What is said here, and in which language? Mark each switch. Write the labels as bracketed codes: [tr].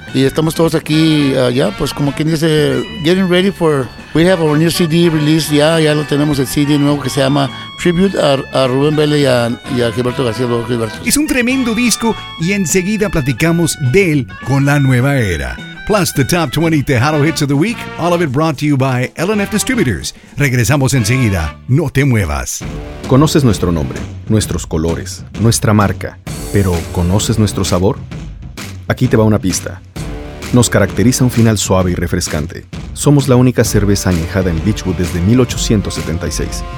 [es] Y estamos todos aquí ya, pues como quien dice, [en] getting ready for, we have our new CD release, [es] ya lo tenemos, el CD nuevo que se llama Tribute a Rubén Vélez y a Gilberto García. Es un tremendo disco y enseguida platicamos de él con La Nueva Era. [en] Plus, the top 20 Tejano hits of the week, all of it brought to you by LNF Distributors. [es] Regresamos enseguida, no te muevas. ¿Conoces nuestro nombre, nuestros colores, nuestra marca, pero conoces nuestro sabor? Aquí te va una pista. Nos caracteriza un final suave y refrescante. Somos la única cerveza añejada en Beechwood desde 1876.